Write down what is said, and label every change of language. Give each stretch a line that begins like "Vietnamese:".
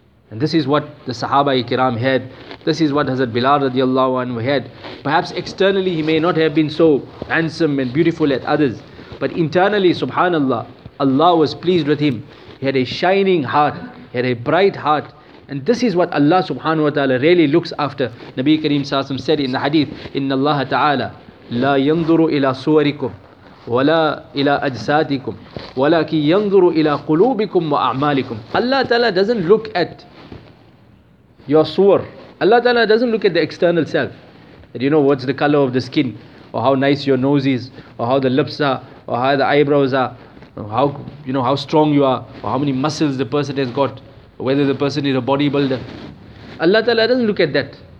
English: And this is what the Sahaba Ikram had. This is what Hazrat Bilal radiallahu anhu had. Perhaps externally he may not have been so handsome and beautiful as others, but internally, subhanallah, Allah was pleased with him. He had a shining heart, he had a bright heart. And this is what Allah subhanahu wa ta'ala really looks after. Nabi Kareem Sa'asim said in the hadith,
Arabic: إِنَّ اللَّهَ تَعَالَى لَا يَنْظُرُ إِلَىٰ سُوَرِكُمْ وَلَا إِلَىٰ أَجْسَادِكُمْ وَلَكِ يَنْظُرُ إِلَىٰ قُلُوبِكُمْ وَأَعْمَالِكُمْ.
English: Allah ta'ala doesn't look at your suwar. Allah ta'ala doesn't look at the external self. That, you know, what's the color of the skin, or how nice your nose is, or how the lips are, or how the eyebrows are, or how, you know, how strong you are, or how many muscles the person has got, whether the person is a bodybuilder. Allah Ta'ala doesn't look at that.